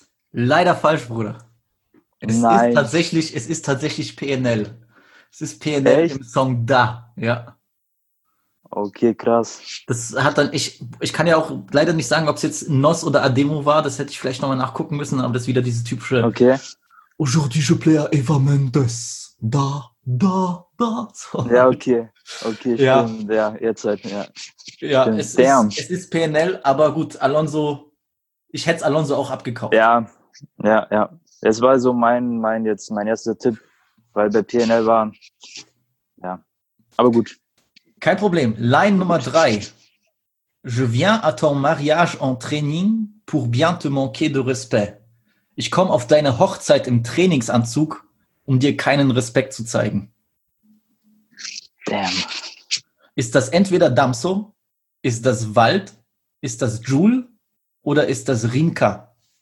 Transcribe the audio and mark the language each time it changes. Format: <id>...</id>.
<de>Leider falsch, Bruder. Es ist tatsächlich PNL. Es ist PNL. Echt? Im Song Da, ja. Okay, krass. Das hat dann, ich kann ja auch leider nicht sagen, ob es jetzt Nos oder Ademo war, das hätte ich vielleicht nochmal nachgucken müssen, aber das ist wieder diese typische. Okay.</de> <fr>Aujourd'hui je plais à Eva Mendes.</fr> <de>Da, da, da. Sorry. Ja, okay. Okay, ja. Stimmt. Ja, jetzt halt, ja. Ja, es ist PNL, aber gut, Alonso, ich hätte es Alonso auch abgekauft. Ja, ja, ja. Es war so mein erster Tipp, weil bei PNL war. Ja. Aber gut. Kein Problem. Line Nummer 3.</de> <fr>Je viens à ton mariage en training pour bien te manquer de respect.</fr> <de>Ich komme auf deine Hochzeit im Trainingsanzug, um dir keinen Respekt zu zeigen.</de> <en>Damn.</en> <de>Ist das entweder Damso, ist das Wald, ist das Jul oder ist das Rimka?</de>